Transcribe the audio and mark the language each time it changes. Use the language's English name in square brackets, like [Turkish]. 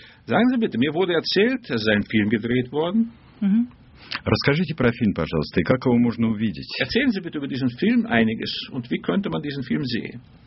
[German] Sagen Sie bitte, mir wurde erzählt, dass ein Film gedreht worden. [Russian] Расскажите про фильм, пожалуйста, и как его можно увидеть? [German] Erzählen Sie bitte über diesen Film einiges und wie könnte man diesen Film sehen?